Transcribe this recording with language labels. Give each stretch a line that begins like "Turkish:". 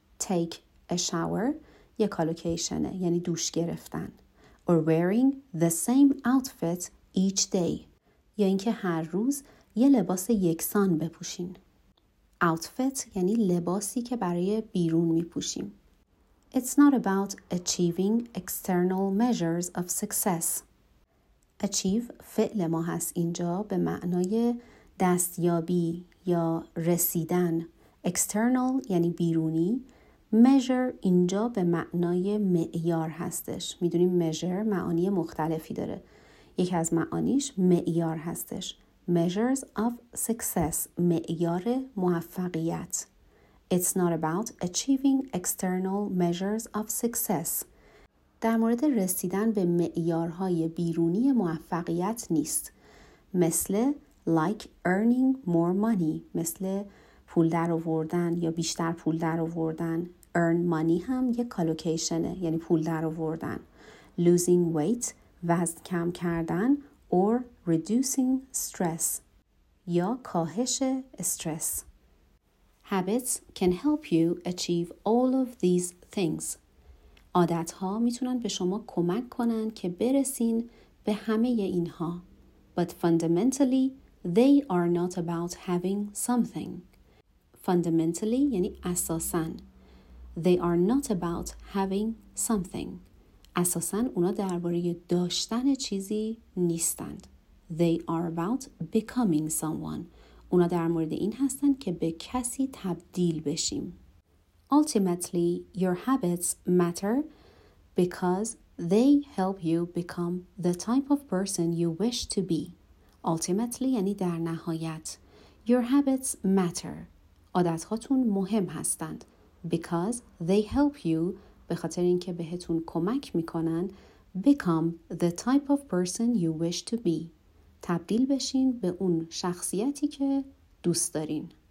English: Take a shower
Persian: یا کالوکیشنه یعنی دوش گرفتن.
English: Or wearing the same outfit each day
Persian: یا اینکه هر روز یه لباس یکسان بپوشین. Outfit یعنی لباسی که برای بیرون میپوشیم.
English: It's not about achieving external measures of success.
Persian: Achieve فعل ما هست اینجا به معنای دستیابی یا رسیدن. External یعنی بیرونی. Measure اینجا به معنای معیار هستش. میدونیم measure معانی مختلفی داره. یکی از معانیش معیار هستش.
English: Measures of success
Persian: معیار موفقیت.
English: It's not about achieving external measures of success.
Persian: در مورد رسیدن به معیارهای بیرونی موفقیت نیست.
English: مثل like earning more money.
Persian: مثل پول در آوردن یا بیشتر پول در آوردن. Earn money هم یک کالوکیشنه یعنی پول در آوردن.
English: Losing weight
Persian: وزن کم کردن
English: or reducing stress
Persian: یا کاهش استرس.
English: Habits can help you achieve all of these things.
Persian: عادت‌ها میتونن به شما کمک کنن که برسین به همه اینها.
English: But fundamentally, they are not about having something.
Persian: Fundamentally یعنی اساساً.
English: They are not about having something.
Persian: اساساً اونا درباره داشتن چیزی نیستند.
English: They are about becoming someone.
Persian: اونا در مورد این هستند که به کسی تبدیل بشیم.
English: Ultimately, your habits matter because they help you become the type of person you wish to be.
Persian: Ultimately, یعنی در نهایت.
English: Your habits matter.
Persian: عادت‌هاتون مهم هستند.
English: Because they help you,
Persian: به خاطر اینکه بهتون کمک میکنن,
English: become the type of person you wish to be.
Persian: تبدیل بشین به اون شخصیتی که دوست دارین.